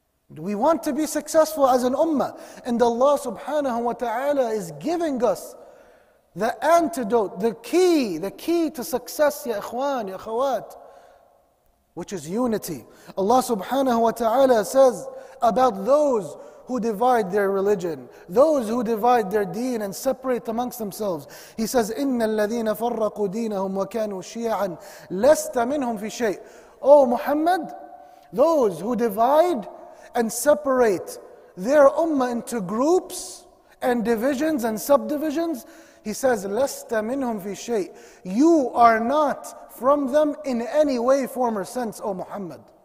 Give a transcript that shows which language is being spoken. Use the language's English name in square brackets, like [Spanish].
[English] We want to be successful as an ummah, and Allah subhanahu wa ta'ala is giving us the antidote, the key to success, ya ikhwan, ya akhawat, which is unity. Allah subhanahu wa ta'ala says about those who divide their religion, those who divide their deen and separate amongst themselves. He says, [Arabic] إِنَّ الَّذِينَ فَرَّقُوا دِينَهُمْ وَكَانُوا شِيَعًا لَسْتَ مِنْهُمْ فِي شَيْءٍ. [English] O Muhammad, those who divide and separate their ummah into groups and divisions and subdivisions, he says, [Arabic] لَسْتَ مِنْهُمْ فِي شَيْءٍ. [English] You are not from them in any way, form, or sense, O Muhammad.